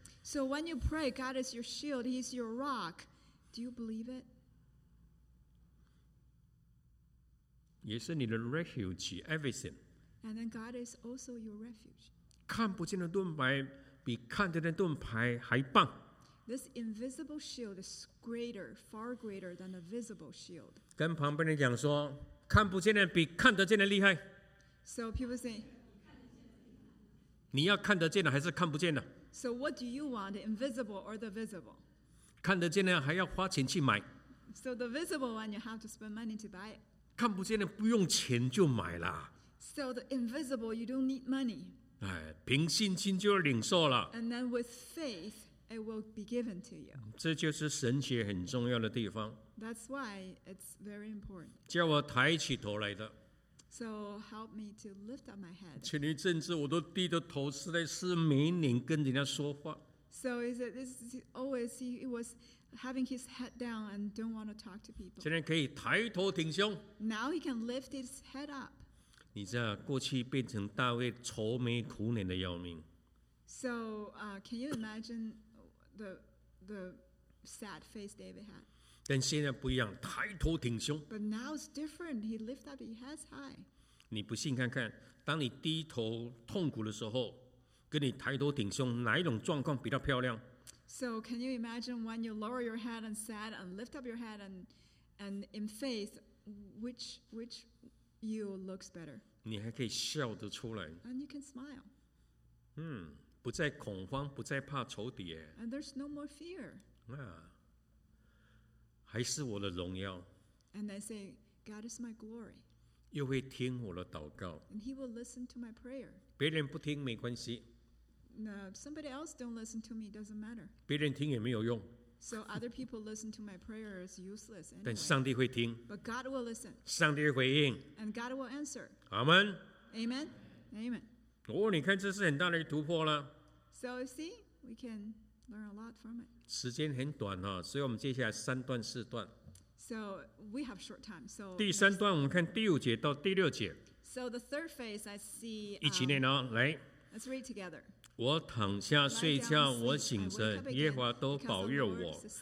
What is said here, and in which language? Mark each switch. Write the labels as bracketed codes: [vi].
[en] So when you pray, God is your shield, he's your rock. Do you believe it? [zh] 也是你的 [en] refuge, everything. And then God is also your refuge. [zh] 看不见的盾牌比看得见盾牌还棒。 [en] This invisible shield is greater, far greater than the visible shield. [zh] 跟旁边人讲说，看不见的比看得见的厉害。 [en] So people say, [zh] 你要看得见的还是看不见的？ [en] So what do you want, invisible or the visible? [zh] 看得见的还要花钱去买。 [en] So the visible one you have to spend money to buy. [zh] 看不见的不用钱就买啦。 [en] So the invisible you don't need money. [zh] 哎，凭信心就领受了。 [en] And then with faith it will be given to you. [zh] 这就是神学很重要的地方。 [en] That's why it's very important. [zh] 叫我抬起头来的。 [en] So help me to lift up my head. [zh] 前一阵子我都低着头，实在是没脸跟人家说话。 [en] So is it this is always he was having his head down and don't want to talk to people. [zh] 现在可以抬头挺胸。 [en] Now he can lift his head up. [zh] 你知道过去变成大卫愁眉苦脸的要命。 [en] So, can you imagine the sad face David had? [zh] 但现在不一样，抬头挺胸。 [en] But now it's different. He lift up his head high. [zh] 你不信看看，当你低头痛苦的时候。跟你抬头挺胸，哪一种状况比较漂亮 [en] ？So can you imagine when you lower your head and sad and lift up your head and in faith, which you looks better？ [zh] 你还可以笑得出来。 [en] And you can smile。 [zh] 不再恐慌，不再怕仇敌。 [en] And there's no more fear。 [zh] 啊，还是我的荣耀。 [en] And I say, God is my glory。 [zh] 又会听我的祷告。 [en] And he will listen to my prayer。 [zh] 别人不听没关系。 [en] No, somebody else don't listen to me, doesn't matter. [zh] 别人听也没有用。 [en] So other people listen to my prayer is useless anyway. [zh] 但上帝会听。 [en] But God will listen. [zh] 上帝回应。 [en] And God will answer. [zh] 阿们。 [en] Amen. Amen. [zh] 哦，你看这是很大的突破了。 [en] So see, we can learn a lot from it. [zh] 时间很短哦，所以我们接下来三段四段。 [en] So we have short time. So [zh] 第三段我们看第五节到第六节。 [en] So the third phase, I see. [zh] 一起念哦，来。 [en] Let's read together. [zh] 我躺下睡觉，我醒着，耶和华都保佑我。